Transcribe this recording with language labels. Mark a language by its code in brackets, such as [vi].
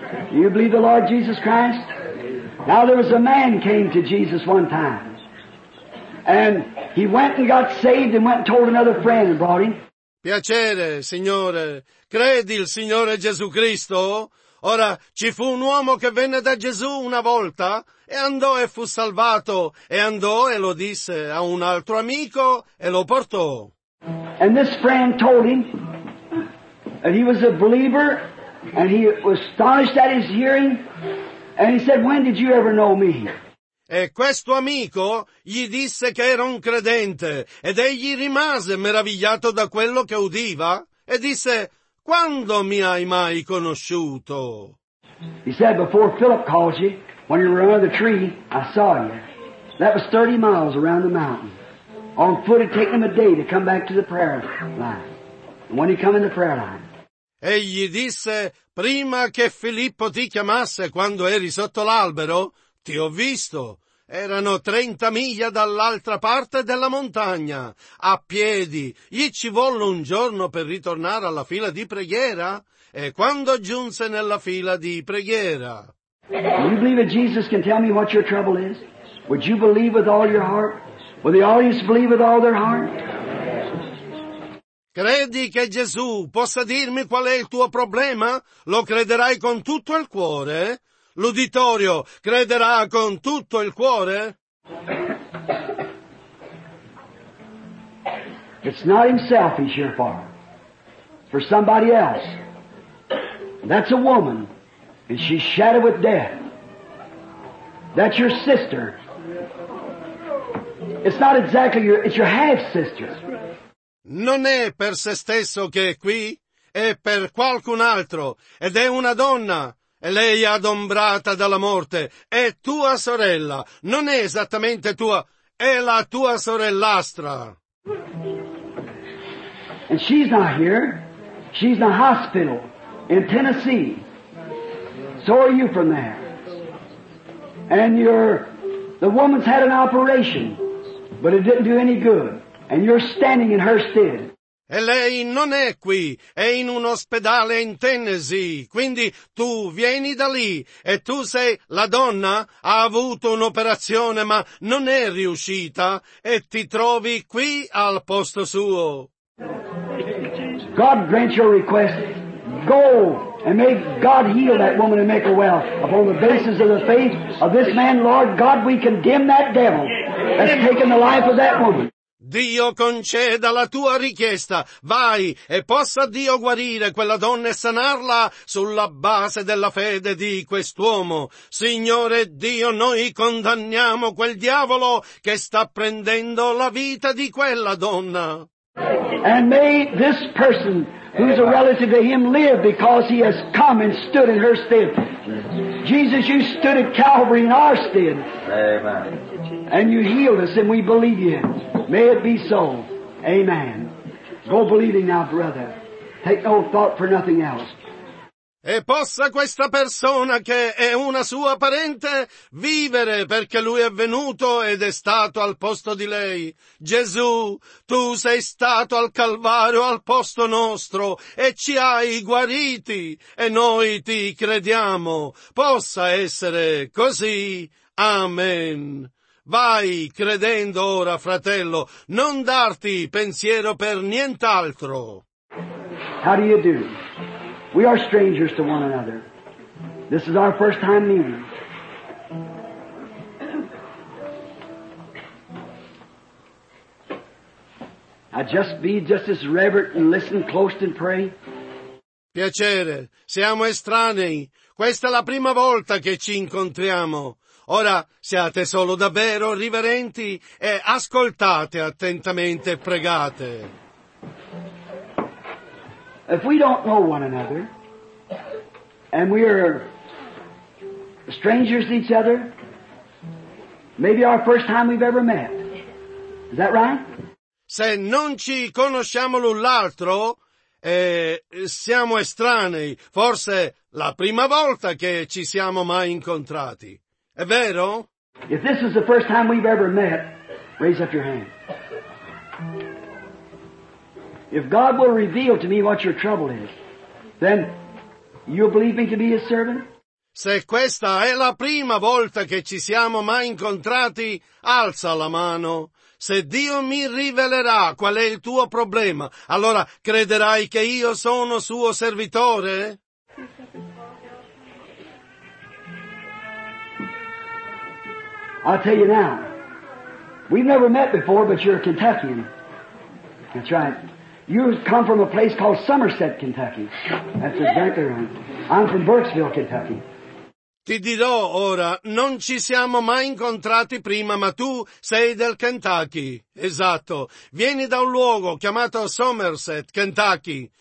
[en] Do you believe the Lord Jesus Christ? Now there was a man came to Jesus one time. And he went and got saved and went and told another friend and brought him. [it] Piacere, signore. Credi il Signore Gesù Cristo? Ora, ci fu un uomo che venne da Gesù una volta e andò e fu salvato e andò e lo disse a un altro amico e lo portò. [en] And this friend told him, and he was a believer, and he was astonished at his hearing, and he said, "When did you ever know me?" [it] E questo amico gli disse che era un credente, ed egli rimase meravigliato da quello che udiva, e disse, "Quando mi hai mai conosciuto?" [en] He said, "Before Philip called you, when you were under the tree, I saw you. That was 30 miles around the mountain. On foot it took him a day to come back to the prayer line. And when he come in the prayer line..." [it] Egli disse, "Prima che Filippo ti chiamasse, quando eri sotto l'albero, ti ho visto. Erano 30 miglia dall'altra parte della montagna, a piedi. Gli ci volle un giorno per ritornare alla fila di preghiera. E quando giunse nella fila di preghiera..." [en] Do you believe that Jesus can tell me what your trouble is? Would you believe with all your heart? Would the audience believe with all their heart? [it] Credi che Gesù possa dirmi qual è il tuo problema? Lo crederai con tutto il cuore? L'uditorio crederà con tutto il cuore? [en] It's not himself he's here for. For somebody else. That's a woman. And she's shattered with death. That's your sister. It's not exactly your, it's your half-sister. [it] Non è per se stesso che è qui, è per qualcun altro, ed è una donna, e lei è adombrata dalla morte, è tua sorella, non è esattamente tua, è la tua sorellastra. [en] And she's not here, she's in a hospital in Tennessee, so are you from there. And you're, the woman's had an operation, but it didn't do any good. And you're standing in her stead. [it] E lei non è qui, è in un ospedale in Tennessee. Quindi tu vieni da lì e tu sei la donna, ha avuto un'operazione ma non è riuscita e ti trovi qui al posto suo. [en] God grant your request. Go and may God heal that woman and make her well. Upon the basis of the faith of this man, Lord God, we condemn that devil that's taken the life of that woman. [it] Dio conceda la tua richiesta, vai e possa Dio guarire quella donna e sanarla sulla base della fede di quest'uomo. Signore Dio, noi condanniamo quel diavolo che sta prendendo la vita di quella donna. [en] And may this person who's a relative to him live because he has come and stood in her stead. Jesus, you stood at Calvary in our stead. Amen. And you healed us and we believe you. May it be so. Amen. Go believing now, brother. Take no thought for nothing else. [it] E possa questa persona che è una sua parente vivere perché lui è venuto ed è stato al posto di lei. Gesù, tu sei stato al Calvario al posto nostro e ci hai guariti e noi ti crediamo. Possa essere così. Amen. Vai credendo ora, fratello, non darti pensiero per nient'altro. [en] How do you do? We are strangers to one another. This is our first time meeting. I just be just as reverent and listen close and pray. [it] Piacere, siamo estranei. Questa è la prima volta che ci incontriamo. Ora siate solo davvero riverenti e ascoltate attentamente e pregate. [en] If we don't know one another, and we are strangers to each other, maybe our first time we've ever met. Is that right? [it] Se non ci conosciamo l'un l'altro, siamo estranei, forse la prima volta che ci siamo mai incontrati. È vero? [en] If this is the first time we've ever met, raise up your hand. If God will reveal to me what your trouble is, then you believe me to be his servant? [it] Se questa è la prima volta che ci siamo mai incontrati, alza la mano. Se Dio mi rivelerà qual è il tuo problema, allora crederai che io sono suo servitore? [en] I'll tell you now. We've never met before, but you're a Kentuckian. That's right. You come from a place called Somerset, Kentucky. That's exactly right. I'm from Burkesville, Kentucky. [it] Ti dirò ora, non ci siamo mai incontrati prima, ma tu sei del Kentucky. Esatto. Vieni da un luogo chiamato Somerset, Kentucky.